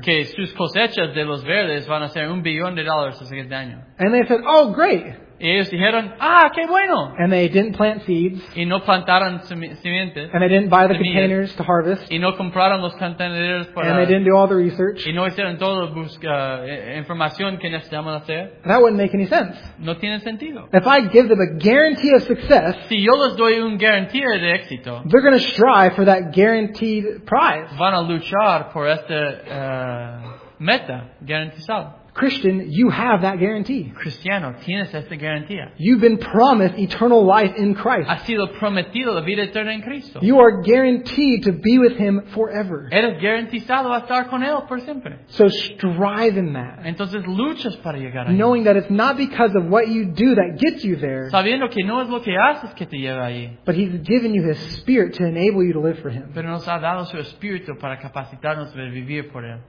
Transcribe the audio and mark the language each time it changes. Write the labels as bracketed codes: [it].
[es] que sus cosechas de los verdes van a ser $1 billion el siguiente año. [en] And they said, oh, great. [es] Y ellos dijeron, ah, qué bueno. [en] And they didn't plant seeds. [es] Y no plantaron simientes. [en] And they didn't buy the containers to harvest. [es] Y no compraron los contenedores para. [en] And they didn't do all the research. [es] Y no hicieron toda la información que necesitamos hacer. [en] That wouldn't make any sense. [es] No tiene sentido. [en] If I give them a guarantee of success, [es] si yo les doy un garantía de éxito, [en] they're going to strive for that guaranteed prize. [es] Van a luchar por este meta garantizado. [en] Christian, you have that guarantee. [es] Cristiano, tienes esta garantía. [en] You've been promised eternal life in Christ. [es] Has sido prometido la vida eterna en Cristo. [en] You are guaranteed to be with him forever. [es] Eres garantizado a estar con él por siempre. [en] So strive in that. [es] Entonces luchas para llegar ahí. [en] Knowing that it's not because of what you do that gets you there. [es] Sabiendo que no es lo que haces que te lleva ahí. [en] But he's given you his spirit to enable you to live for him. [es] Pero nos ha dado su espíritu para capacitarnos para vivir por él.